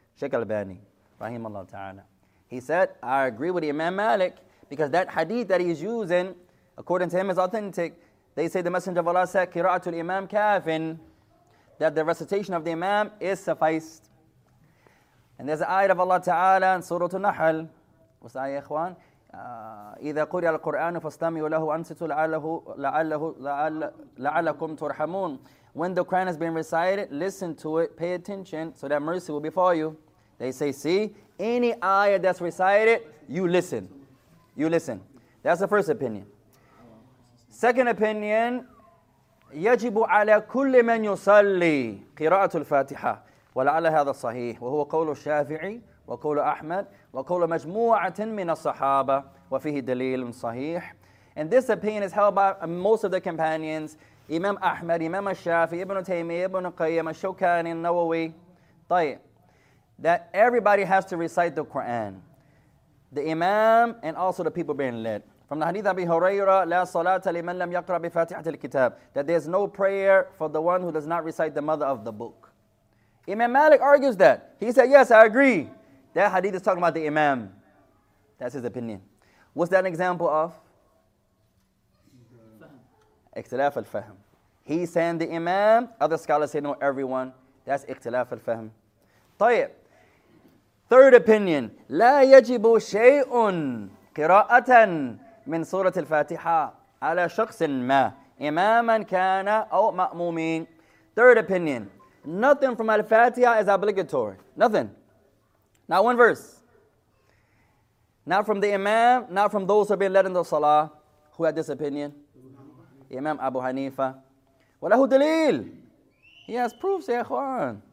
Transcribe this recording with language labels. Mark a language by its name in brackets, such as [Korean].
[English] Sheikh Albani, rahimahullah ta'ala. He said, I agree with Imam Malik, because that hadith that he's using, according to him, is authentic. They say the Messenger of Allah said, [Arabic] Qira'atul Imam Kafin, [English] that the recitation of the Imam is sufficed. And there's an ayat of Allah ta'ala in Surah An-Nahl. What's the ayah, ikhwan? [Arabic] إذا قرئ القرآن فاستمعوا له وأنصتوا لعلكم ترحمون. [English] When the Quran has been recited, listen to it, pay attention, so that mercy will befall you. They say, see, any ayah that's recited, you listen. You listen. That's the first opinion. Second opinion, [Arabic] يجب على كل من يصلي قراءة الفاتحة. ولعل هذا صحيح. وهو قول الشافعي وقول أحمد. وَقَوْلَ مَجْمُوعَةٍ مِّنَ الصَّحَابَةِ وَفِيهِ دَلِيلٌ صَحِيحٌ. [English] And this opinion is held by most of the companions. Imam Ahmad, Imam al-Shafi, Ibn Taymiyyah, Ibn Qayyim, al-Shawkani, al-Nawawi. [Arabic] طيب. [English] That everybody has to recite the Quran. The Imam and also the people being led. From the Hadith of Abi Hurairah, [Arabic] لَا صَلَاةَ لِمَنْ لَمْ يَقْرَ بِفَاتِحَةِ الْكِتَابِ. [English] That there's no prayer for the one who does not recite the mother of the book. Imam Malik argues that. He said, yes, I agree. That hadith is talking about the imam. That's his opinion. What's that an example of? Ikhtilaf al-fahm. He's saying the imam. Other scholars say no, everyone. That's ikhtilaf al-fahm. [Arabic] طيب. [English] Third opinion. [Arabic] لا يجب شيء قراءة من سورة الفاتحة على شخص ما إماما كان أو مأمومين. [English] Third opinion. Nothing from al-fatiha is obligatory. Nothing. Not one verse. Not from the imam, not from those who have been led in the salah. Who had this opinion? Imam Abu Hanifa. [Arabic] Walahu dalil. [English] He has proofs, ya Quran.